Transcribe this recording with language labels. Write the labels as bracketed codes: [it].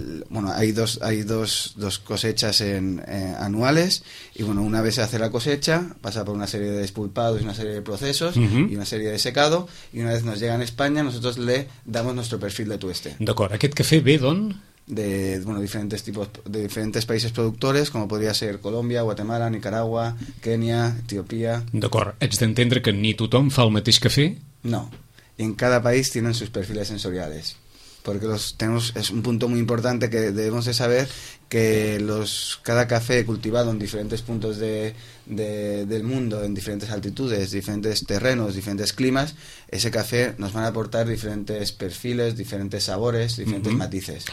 [es] Bueno, hay dos cosechas anuales, y bueno, una vez se hace la cosecha, pasa por una serie de despulpados y una serie de procesos y una serie de secado, y una vez nos llega en España, nosotros le damos nuestro perfil de tueste. [ca] D'acord, aquest café ve d'on? [es] De, bueno, diferentes tipos, de diferentes países productores, como podría ser Colombia, Guatemala, Nicaragua, Kenia, Etiopía. [ca] D'acord, haig d'entendre que ni tothom fa el mateix café. [es] No, y en cada país tienen sus perfiles sensoriales, porque los tenemos, es un punto muy importante que debemos de saber, que cada café cultivado en diferentes puntos del mundo, en diferentes altitudes, diferentes terrenos, diferentes climas, ese café nos van a aportar diferentes perfiles, diferentes sabores, diferentes matices.